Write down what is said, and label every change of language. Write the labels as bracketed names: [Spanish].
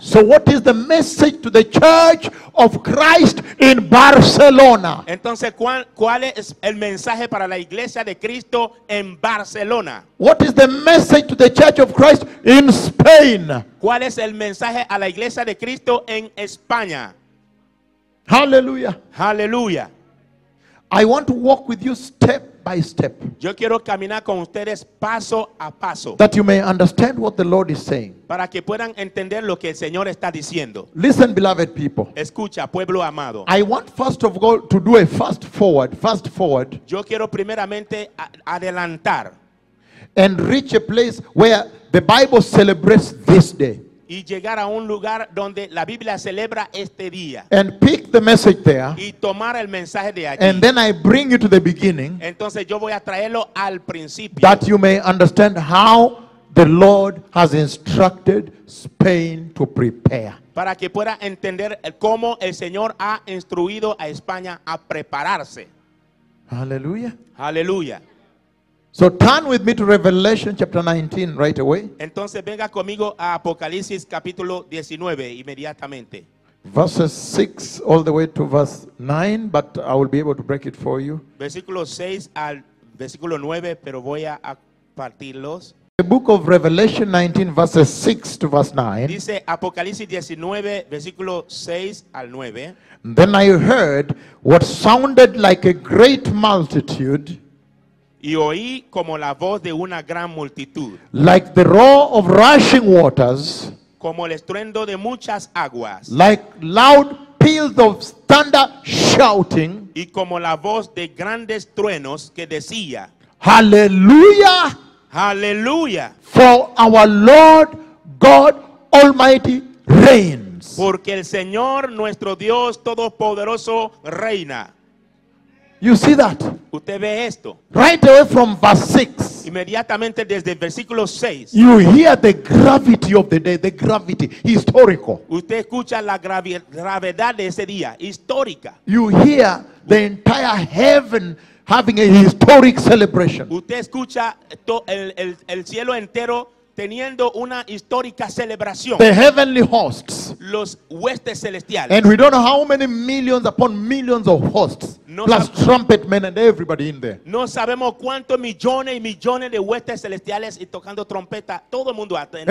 [English] So what is the message to the Church of Christ in Barcelona? [Spanish] Entonces cuál es el mensaje para la Iglesia de Cristo en Barcelona? [English] What is the message to the Church of Christ in Spain? [Spanish] ¿Cuál es el mensaje a la Iglesia de Cristo en España? Hallelujah. Hallelujah. [English] I want to walk with you step by step. [Spanish] Yo quiero caminar con ustedes paso a paso. [English] That you may understand what the Lord is saying. [Spanish] Para que puedan entender lo que el Señor está diciendo. [English] Listen, beloved people. [Spanish] Escucha, pueblo amado. [English] I want first of all to do a fast forward. [Spanish] Yo quiero primeramente adelantar. [English] And reach a place where the Bible celebrates this day. [Spanish] Y llegar a un lugar donde la Biblia celebra este día. [English] And pick the message there. [Spanish] Y tomar el mensaje de allí. [English] And then I bring you to the beginning. [Spanish] Entonces yo voy a traerlo al principio. [English] That you may understand how the Lord has instructed Spain to prepare. [Spanish] Para que pueda entender cómo el Señor ha instruido a España a prepararse. Hallelujah. Hallelujah. [English] So turn with me to Revelation chapter 19 right away. [Spanish] Entonces venga conmigo a Apocalipsis capítulo 19 inmediatamente. [English] Verses 6 all the way to verse 9, but I will be able to break it for you. [Spanish] Versículo 6 al versículo 9, pero voy a partirlos. [English] The book of Revelation 19 verses 6 to verse 9. [Spanish] Dice Apocalipsis 19 versículo 6 al 9. [English] Then I heard what sounded like a great multitude. [Spanish] Y oí como la voz de una gran multitud. [English] Like the roar of rushing waters. [Spanish] Como el estruendo de muchas aguas. [English] Like loud peals of thunder shouting. [Spanish] Y como la voz de grandes truenos que decía. Hallelujah. Hallelujah. [English] For our Lord God Almighty reigns. [Spanish] Porque el Señor nuestro Dios Todopoderoso reina. [English] You see that? [Spanish] Usted ve esto. [English] Right away from verse 6. [Spanish] Inmediatamente desde el versículo 6. [English] You hear the gravity of the day, the gravity, historical. [Spanish] Usted escucha la gravedad de ese día, histórica. [English] You hear the entire heaven having a historic celebration. [Spanish] Usted escucha el cielo entero teniendo una histórica celebración. [English] The heavenly hosts. [Spanish] Los huestes celestiales. [English] And we don't know how many millions upon millions of hosts. Plus trumpet men and everybody in there. [Spanish] No sabemos cuántos millones y millones de huestes celestiales y tocando trompeta, todo el mundo atento.